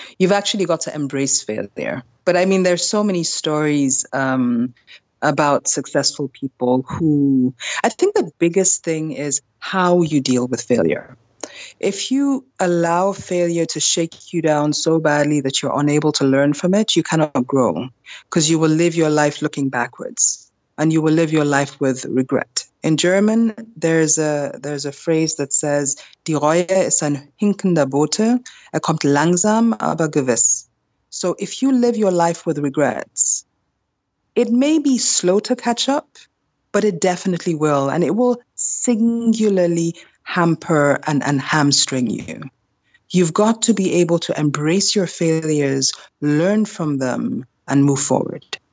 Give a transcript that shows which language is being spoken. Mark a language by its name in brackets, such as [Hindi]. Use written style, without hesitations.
[English] You've actually got to embrace failure. But I mean, there's so many stories about successful people who, I think the biggest thing is how you deal with failure. If you allow failure to shake you down so badly that you're unable to learn from it, you cannot grow, because you will live your life looking backwards and you will live your life with regret. In German, there's a phrase that says, [German] die Reue ist ein hinkender Bote, er kommt langsam, aber gewiss. [English] So if you live your life with regrets, it may be slow to catch up, but it definitely will. And it will singularly hamper and hamstring you. You've got to be able to embrace your failures, learn from them, and move forward.